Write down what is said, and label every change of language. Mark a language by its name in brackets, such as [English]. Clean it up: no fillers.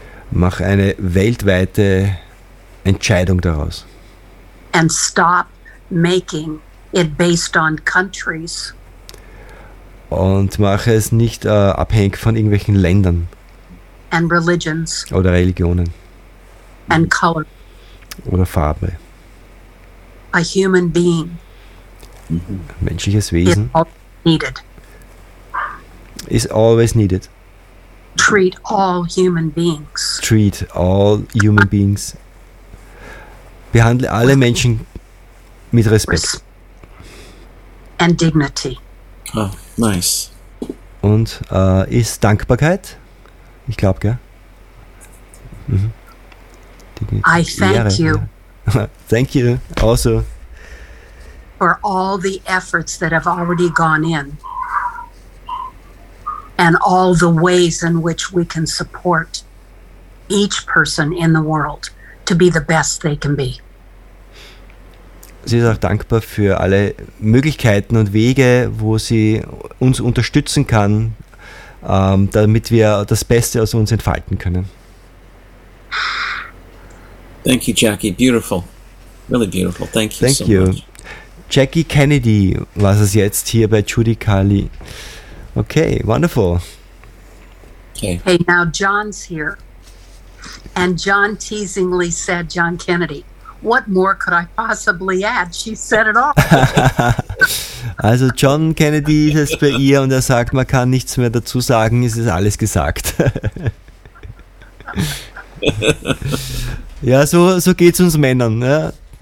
[German] Mach eine weltweite Entscheidung daraus. [English] And stop making it based on countries. [German] Und mache es nicht abhängig von irgendwelchen Ländern. [English] And religions. [German] Oder Religionen. [English] And color. [German] Oder Farbe. [English] A human being. [German] Menschliches Wesen. [English] Is always needed. Is always needed. Treat all human beings. Treat all human beings. [German] Behandle alle Menschen mit Respekt. [English] And dignity. Oh, nice. [German] Und ist Dankbarkeit? Ich glaube, gell? [English] Mhm. Dignity. I thank [German] Ehre, [English] you. Ja. Thank you. Also. For all the efforts that have already gone in. And all the ways in which we can support each person in the world to be the best they can be. [German] Sie ist auch dankbar für alle Möglichkeiten und Wege, wo sie uns unterstützen kann, damit wir das Beste aus uns entfalten können. [English] Thank you, Jackie. Beautiful. Really beautiful. Thank you. Thank so you. Much. [German] Jackie Kennedy war es jetzt hier bei Judy Carly. [English] Okay, wonderful. Okay. Hey, now John's here. And John teasingly said, John Kennedy, what more could I possibly add? She said it all. [German] Also John Kennedy ist es bei ihr und er sagt, man kann nichts mehr dazu sagen, es ist alles gesagt. Ja, so geht's uns Männern, ja.